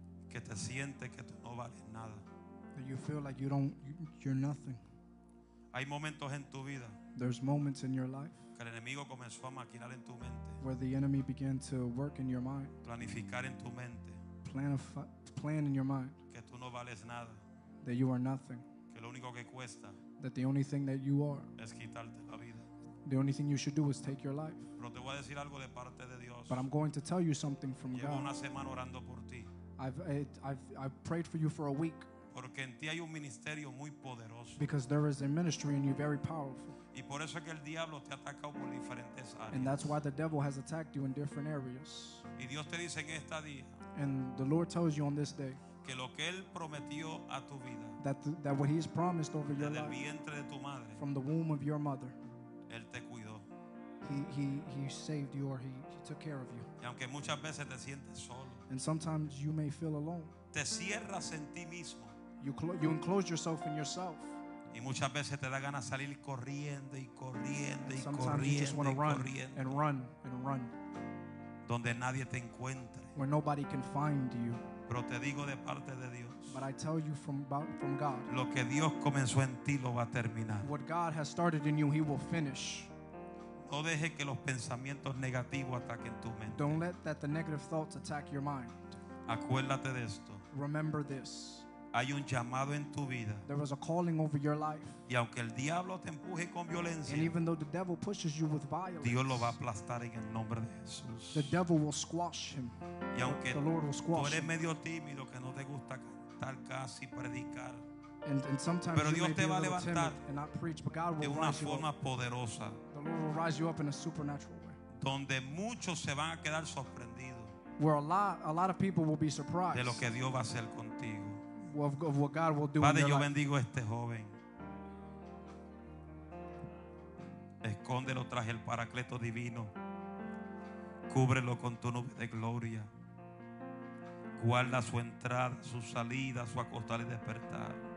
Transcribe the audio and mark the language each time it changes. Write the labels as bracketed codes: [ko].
[es] Que te sientes que tú no vales nada. [en] That you feel like you're nothing. [es] Hay momentos en tu vida. [en] There's moments in your life. [es] Que el enemigo comenzó a maquinar en tu mente. [en] Where the enemy began to work in your mind. [es] Planificar en tu mente. [en] Plan in your mind. [es] Que tú no vales nada. [en] That you are nothing. [es] Que lo único que cuesta. [en] That the only thing that you are. [es] Es quitarte la vida. [en] The only thing you should do is take your life. [es] Pero te voy a decir algo de parte de Dios. [en] But I'm going to tell you something from [es] Llevo [en] God. [es] Una semana orando por ti. [en] I've prayed for you for a week. [es] Porque en ti hay un ministerio muy poderoso. [en] Because there is a ministry in you very powerful. [es] Y por eso es que el diablo te ha atacado por diferentes áreas. [en] And that's why the devil has attacked you in different areas. [es] Y Dios te dice en esta día. [en] And the Lord tells you on this day. [es] Que lo que él prometió a tu vida. [en] That what he has promised over your life. [es] Desde el vientre de tu madre. [en] From the womb of your mother. [es] Él te cuidó. [en] He saved you, or he took care of you. [es] Y aunque muchas veces te sientes solo. [en] And sometimes you may feel alone. [es] Te cierras en ti mismo. [en] You enclose yourself in yourself. [es] Y muchas veces te da ganas salir corriendo y corriendo y [en] sometimes Sometimes you just want to run and run and run. [es] Donde nadie te encuentre. [en] Where nobody can find you. [es] Pero te digo de parte de Dios. [en] But I tell you from God. [es] Lo que Dios comenzó en ti lo va a terminar. [en] What God has started in you, he will finish. [es] No deje que los pensamientos negativos ataquen tu mente. [en] Don't let that the negative thoughts attack your mind. [es] Acuérdate de esto. [en] Remember this. [es] Hay un llamado en tu vida. [en] There was a calling over your life. [es] Y aunque el diablo te empuje con violencia, [en] and even though the devil pushes you with violence, [es] Dios lo va a aplastar en el nombre de Jesús. [en] The devil will squash him. [es] Y aunque [en] the Lord will squash [es] tú eres medio tímido que no te gusta cantar casi predicar, [en] and sometimes [es] pero Dios te va a levantar [en] and not preach, but God will [es] de una forma poderosa. [en] The Lord will rise you up in a supernatural way. [es] Donde muchos se van a quedar sorprendidos. [en] Where a lot of people will be surprised. [es] De lo que Dios va a hacer contigo. [en] of what God will do. [es] Padre, [en] in [es] yo bendigo este joven. Escóndelo tras el paracleto divino. Cúbrelo con tu nube de gloria. Guarda su entrada, su salida, su acostar y despertar.